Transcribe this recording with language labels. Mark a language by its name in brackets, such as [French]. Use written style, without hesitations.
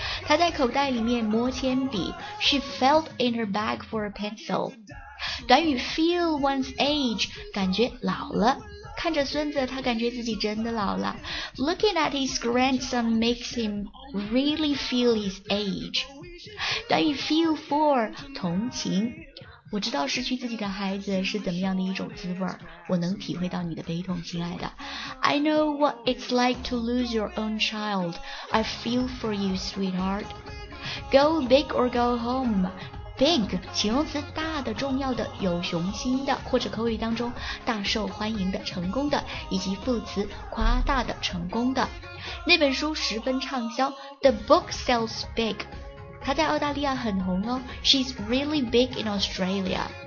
[Chinese] 她在口袋里面摸铅笔， [English] She felt in her bag for a pencil。 [Chinese] 短语 [English] feel one's age， [Chinese] 感觉老了，看着孙子，他感觉自己真的老了。 [English] Looking at his grandson makes him really feel his age。 [Chinese] 短语 [English] feel for， [Chinese] 同情。我知道失去自己的孩子是怎么样的一种滋味，我能体会到你的悲痛，亲爱的。 [English] I know what it's like to lose your own child. I feel for you, sweetheart. Go big or go home. [Chinese] Big， 形容词，大的、重要的、有雄心的，或者口语当中大受欢迎的、成功的，以及副词，夸大的、成功的。那本书十分畅销 [English] The book sells big， [Chinese] 他在澳大利亚很红哦， [English] She's really big in Australia。